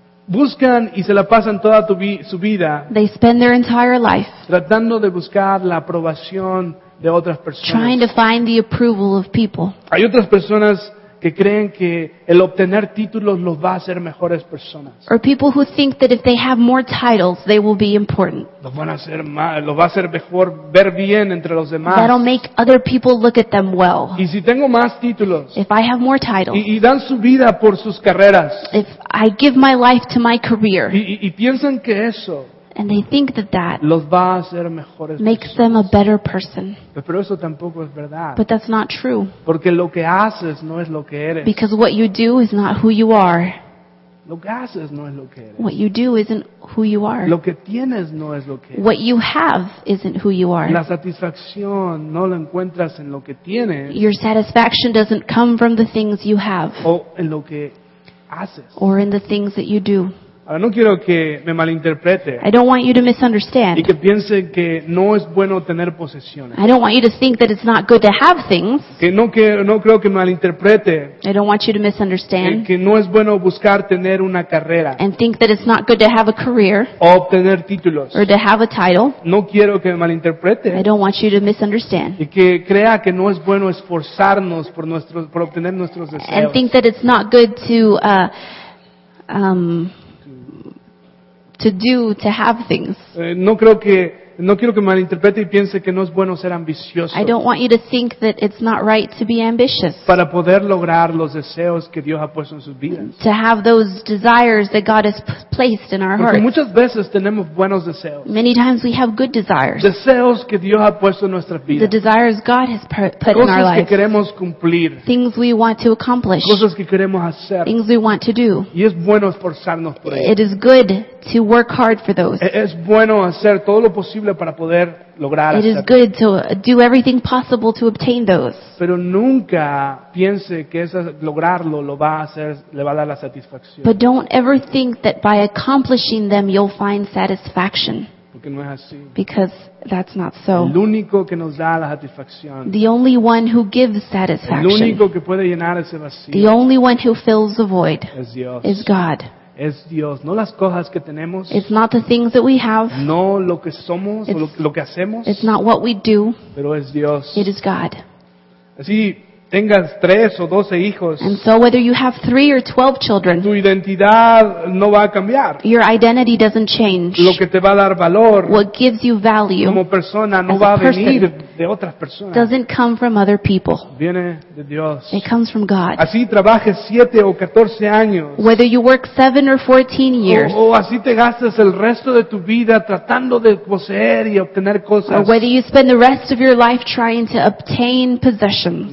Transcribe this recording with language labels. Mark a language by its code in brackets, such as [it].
[es] buscan y se la pasan toda su vida. [en] They spend their entire life [es] tratando de buscar la aprobación de otras personas. [en] Trying to find the approval of people. [es] Hay otras personas que creen que el obtener títulos los va a hacer mejores personas. [en] Or people who think that if they have more titles, they will be important. [es] Los van a hacer más, los va a hacer mejor ver bien entre los demás. [en] That'll make other people look at them well. [es] Y si tengo más títulos. [en] If I have more titles. [es] Y dan su vida por sus carreras. [en] If I give my life to my career. [es] Y piensan que eso. [en] And they think that that [es] los va a hacer mejores [en] makes [es] personas. [en] Them a better person. [es] Pero eso tampoco es verdad. [en] But that's not true. [es] Porque lo que haces no es lo que eres. [en] Because what you do is not who you are. [es] Lo que haces no es lo que eres. [en] What you do isn't who you are. [es] Lo que tienes no es lo que eres. [en] What you have isn't who you are. [es] La satisfacción no la encuentras en lo que tienes. [en] Your satisfaction doesn't come from the things you have. [es] O en lo que haces. [en] Or in the things that you do. [es] No quiero que me malinterprete. [en] I don't want you to misunderstand. [es] Y que piense que no es bueno tener posesiones. [en] I don't want you to think that it's not good to have things. [es] No creo que me malinterprete. [en] I don't want you to misunderstand. [es] Que no es bueno buscar tener una carrera. [en] And think that it's not good to have a career. [es] O obtener títulos. [en] Or to have a title. [es] No quiero que me malinterprete. [en] I don't want you to misunderstand. [es] Y que crea que no es bueno esforzarnos por obtener nuestros deseos. [en] And think that it's not good to have things. [es] No quiero que malinterprete y piense que no es bueno ser ambicioso. [en] I don't want you to think that it's not right to be ambitious. [es] Para poder lograr los deseos que Dios ha puesto en sus vidas. [en] To have those desires that God has placed in our hearts. [es] Porque muchas veces tenemos buenos deseos. [en] Many times we have good desires. [es] Deseos que Dios ha puesto en nuestras vidas. [en] The desires God has put [es] cosas [en] in our lives. [es] Cosas que queremos cumplir. [en] Things we want to accomplish. [es] Cosas que queremos hacer. [en] Things we want to do. [es] Y es bueno esforzarnos por ello. [en] It is good to work hard for those. [es] Es bueno hacer todo lo posible para poder lograr. [en] It is good to do everything possible to obtain those. [es] Pero nunca piense que eso lograrlo lo va a hacer, le va a dar la satisfacción. [en] But don't ever think that by accomplishing them you'll find satisfaction. [es] Porque no es así. [en] Because that's not so. [es] El único que nos da la satisfacción. [en] The only one who gives satisfaction. [es] El único que puede llenar ese vacío. [en] The only one who fills the void. [es] Es Dios. [en] Is God. [es] Es Dios, no las cosas que tenemos. [en] It's not the things that we have. [es] No lo que somos, lo que hacemos. [en] It's not what we do. [es] Pero es Dios. [en] It is God. [es] Así tengas 3 o 12 hijos. [en] And so whether you have 3 or 12 children. [es] Tu identidad no va a cambiar. [en] Your identity doesn't change. [es] Lo que te va a dar valor. [en] What gives you value. [es] Como persona no va a venir de otras personas. [en] Doesn't come from other people. [es] Viene de Dios. [en] It comes from God. [es] Así trabajes 7 o 14 años. [en] Whether you work 7 or 14 years. [es] O así te gastes el resto de tu vida tratando de poseer y obtener cosas. [en] Or whether you spend the rest of your life trying to obtain possessions.